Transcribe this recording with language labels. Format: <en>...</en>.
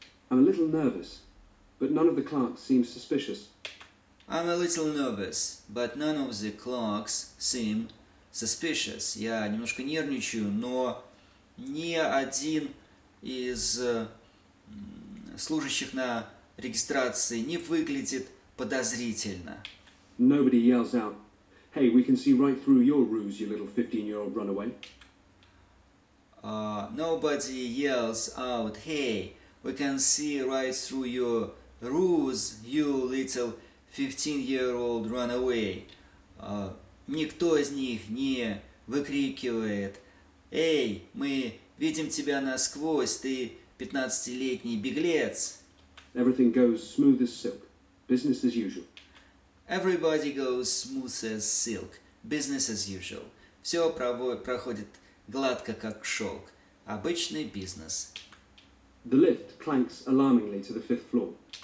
<en>I'm a little nervous, but none of the clerks seem suspicious. I'm a little nervous, but none of the clerks seem suspicious.</en> <ru>Я немножко нервничаю, но ни один из служащих на регистрации не выглядит подозрительно.</ru> <en>Nobody yells out, "Hey, we can see right through your ruse, you little 15-year-old runaway." Nobody yells out, "Hey, we can see right through your ruse, you little 15-year-old runaway."</en> <ru>Никто из них не выкрикивает: "Эй, мы видим тебя насквозь, ты 15-летний беглец."</ru> <en>Everything goes smooth as silk. Business as usual. Everybody goes smooth as silk. Business as usual.</en> <ru>Все проходит гладко, как шелк. Обычный бизнес.</ru> <en>The lift clanks alarmingly to the fifth floor.</en>